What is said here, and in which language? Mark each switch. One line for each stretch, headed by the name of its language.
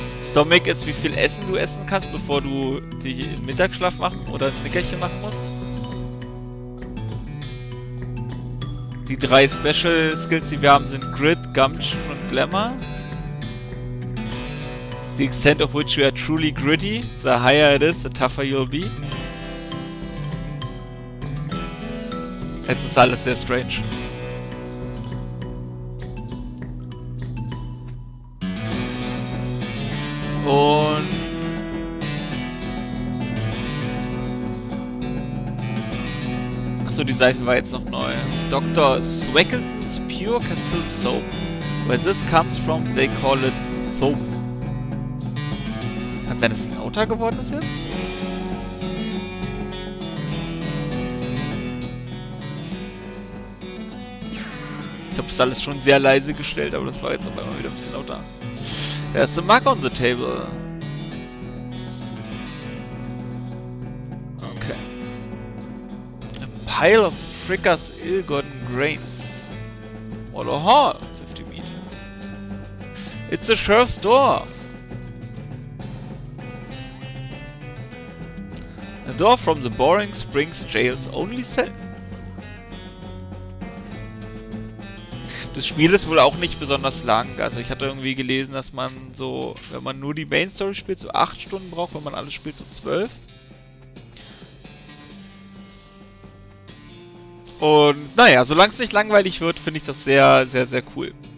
German: Stomach ist, wie viel Essen du essen kannst, bevor du die Mittagsschlaf machen oder ein Nickerchen machen musst. Die drei Special Skills, die wir haben, sind Grit, Gumption und Glamour.
English: The extent of which you are truly gritty, the higher it is, the tougher you'll be.
German: Es ist alles sehr strange. Und achso, die Seife war jetzt noch neu.
English: Dr. Swackleton's Pure Castile Soap. Where this comes from, they call it soap.
German: Sein es lauter geworden ist jetzt? Ich habe es alles schon sehr leise gestellt, aber das war jetzt auch immer wieder ein bisschen lauter.
English: There's a mug on the table. Okay. A pile of Frickers ill-gotten grains. What a haul! 50 meat. It's the sheriff's door! A door from the Boring Springs Jail's only cell.
German: Das Spiel ist wohl auch nicht besonders lang. Also ich hatte irgendwie gelesen, dass man so, wenn man nur die Main Story spielt, so 8 Stunden braucht, wenn man alles spielt, so 12. Und naja, solange es nicht langweilig wird, finde ich das sehr, sehr, sehr cool.